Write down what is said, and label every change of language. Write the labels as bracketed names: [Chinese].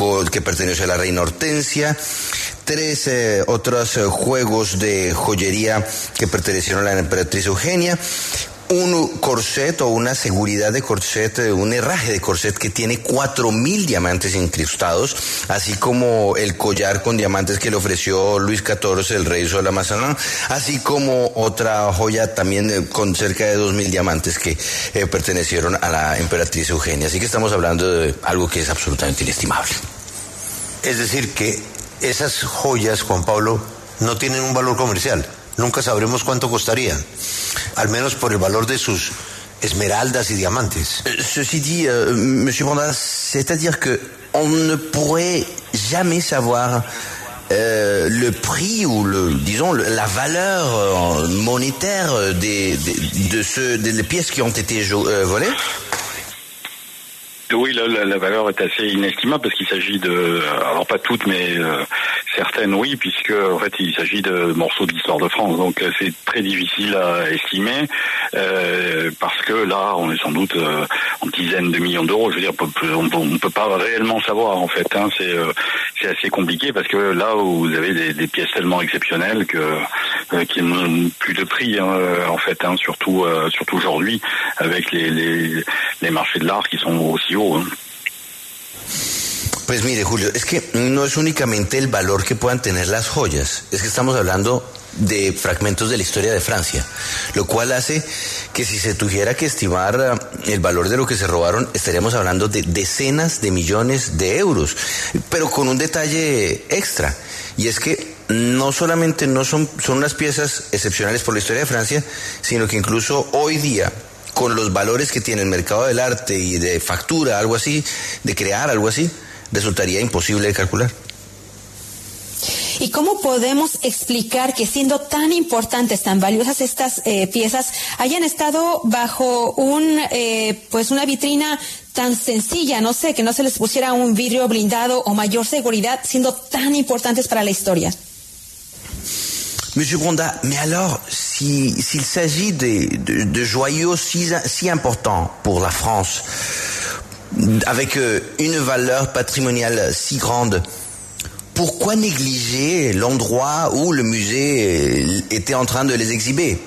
[Spanish] que perteneció a la reina Hortensia, 3 otros juegos de joyería que pertenecieron a la emperatriz Eugenia, un corset o una seguridad de corset, un herraje de corset que tiene 4000 diamantes incrustados, así como el collar con diamantes que le ofreció Luis XIV, el rey Sol Amazonas, así como otra joya también con cerca de 2000 diamantes que pertenecieron a la emperatriz Eugenia. Así que estamos hablando de algo que es absolutamente inestimable. Es decir que esas joyas, Juan Pablo, no tienen un valor comercial. Nunca sabremos cuánto costarían, al menos por el valor de sus esmeraldas y diamantes. [French] Ceci dit, monsieur Branda, c'est-à-dire que on ne pourrait jamais savoir le prix ou la valeur monétaire des pièces qui ont été volées. Oui, la valeur est assez inestimable parce qu'il s'agit de, alors pas toutes, mais certaines, oui, puisque en fait il s'agit de morceaux de l'histoire de France, donc c'est très difficile à estimer, parce que là, on est sans doute en dizaines de millions d'euros. Je veux dire, on peut pas réellement savoir en fait. Hein, c'est assez compliqué parce que là, vous avez des pièces tellement exceptionnelles que qui n'ont plus de prix hein, en fait, hein, surtout aujourd'hui avec les marchés de l'art qui sont aussi. [Spanish] Pues mire, Julio, es que no es únicamente el valor que puedan tener las joyas, es que estamos hablando de fragmentos de la historia de Francia, lo cual hace que si se tuviera que estimar el valor de lo que se robaron, estaríamos hablando de decenas de millones de euros, pero con un detalle extra, y es que no solamente no son unas piezas excepcionales por la historia de Francia, sino que incluso hoy día, con los valores que tiene el mercado del arte y de factura, algo así, de crear algo así, resultaría imposible de calcular. ¿Y cómo podemos explicar que siendo tan importantes, tan valiosas estas piezas, hayan estado bajo una vitrina tan sencilla, no sé, que no se les pusiera un vidrio blindado o mayor seguridad, siendo tan importantes para la historia? [French] Monsieur Branda, mais alors, s'il s'agit de joyaux si importants pour la France, avec une valeur patrimoniale si grande, pourquoi négliger l'endroit où le musée était en train de les exhiber?